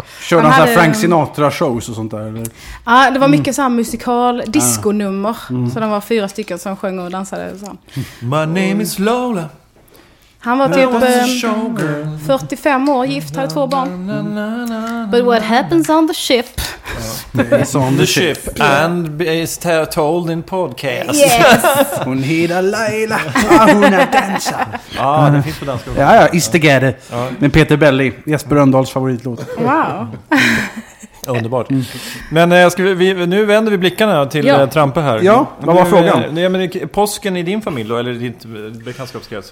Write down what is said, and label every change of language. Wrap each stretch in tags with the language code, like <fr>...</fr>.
<sv>Körde han så här Frank Sinatra shows och sånt där eller? Ja, det var mycket så här musikal disco-nummer. Så de var 4 stycken som sjöng och dansade så.</sv> <en>My name is Lola.</en> <sv>Han var typ 45 år, gift, hade 2 barn.</sv> <en>But what happens on the ship? It's on the ship and is told in podcast. Yes.</en> <sv>Hon heter Laila, hon är dansa. Ja, det finns på danska också. Ja, Istegade med Peter Belli, Jesper Öndals favoritlåt. Wow. Underbart. Men nu vänder vi blickarna till Trampe här. Ja, vad var frågan? Nej, men påsken i din familj då, eller i ditt bekantskapskrets?</sv>